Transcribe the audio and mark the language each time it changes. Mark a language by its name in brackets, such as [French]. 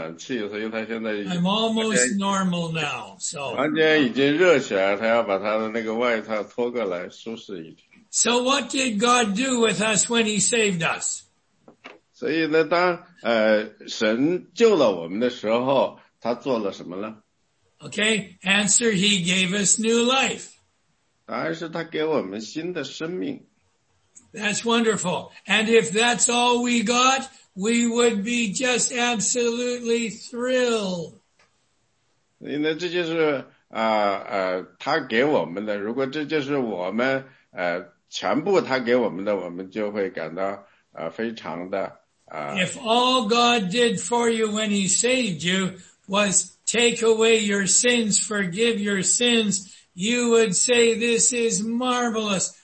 [Chinese] 因为他身边有个电暖气，所以他现在已经 [English] I'm almost normal now. So [Chinese] 房间已经热起来，他要把他的那个外套脱过来舒适一点。 [English] So what did God do with us when he saved us? [Chinese] 所以呢，当神救了我们的时候，他做了什么呢？ [English] Okay, answer, he gave us new life. [Chinese] 答案是他给我们新的生命。 [English] That's wonderful. And if that's all we got, we would be just absolutely thrilled. [Chinese] 所以呢，这就是他给我们的，如果这就是我们 [English] If all God did for you when he saved you was take away your sins, forgive your sins, you would say this is marvelous.